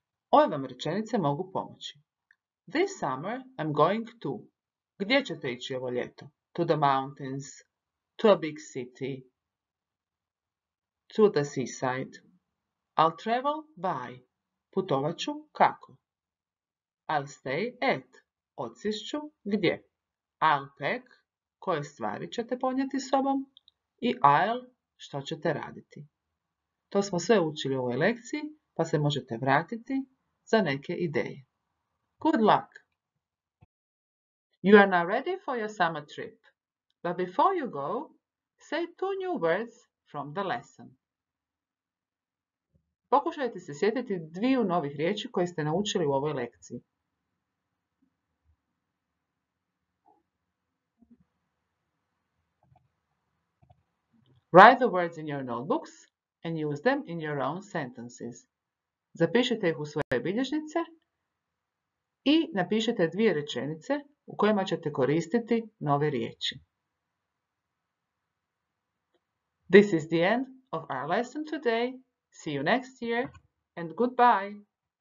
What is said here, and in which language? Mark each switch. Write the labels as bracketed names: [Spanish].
[Croatian] Ove vam rečenice mogu pomoći. [English] This summer I'm going to. [Croatian] Gdje ćete ići ovo ljeto? [English] To the mountains, to a big city, to the seaside. I'll travel by. [Croatian] Putovat ću kako? [English] I'll stay at. [Croatian] Odsišću gdje? [English] I'll pack. [Croatian] Koje stvari ćete ponijeti sobom? [English] I I'll. [Croatian] Što ćete raditi? To smo sve učili u ovoj lekciji, pa se možete vratiti za neke ideje. [English] Good luck! You are now ready for your summer trip. But before you go, say two new words from the lesson. [Croatian] Pokušajte se sjetiti dviju novih riječi koje ste naučili u ovoj lekciji. [English] Write the words in your notebooks and use them in your own sentences. [Croatian] Zapišite ih u svoje bilježnice i napišite dvije rečenice u kojima ćete koristiti nove riječi. [English] This is the end of our lesson today. See you next year and goodbye!